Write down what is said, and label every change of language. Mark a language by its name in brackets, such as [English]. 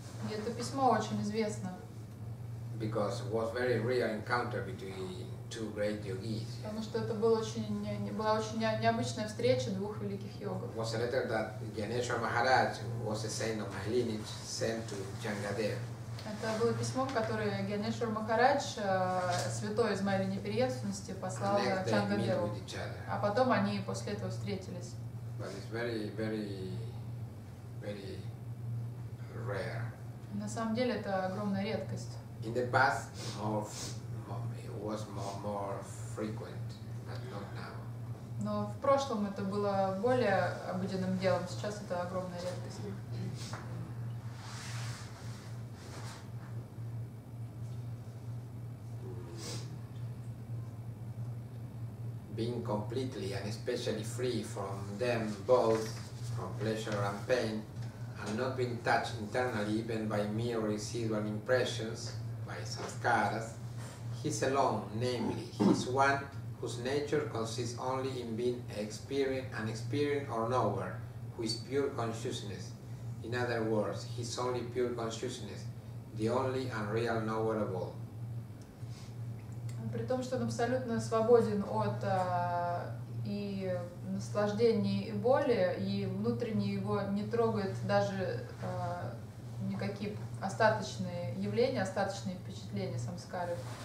[Russian] И это письмо очень известно. [English] Because it was very real encounter between two great yogis. [Russian] Потому что это был была очень необычная встреча двух великих йогов. [English] Was a letter that Gyaneshwar Maharaj, was a saint of my lineage, sent to Changadev. [Russian] Это было письмо, которое Гьянешвар Махарадж, святой из моей неприятности, послал Чангадеву. А потом они после этого встретились. [English] But it's very, very, very rare. [Russian] На самом деле это огромная редкость. [English] In the past, it was more frequent, but not now. [Russian] Но в прошлом это было более обыденным делом, сейчас это огромная редкость. [English] Being completely and especially free from them both, from pleasure and pain, and not being touched internally even by mere residual impressions, by sanskaras, he's alone, namely, he's one whose nature consists only in being an experienced or knower, who is pure consciousness. In other words, he's only pure consciousness, the only unreal knower of all. [Russian] При том, что он абсолютно свободен от и наслаждений, и боли, и внутренне его не трогает даже никакие остаточные явления, остаточные впечатления самскары.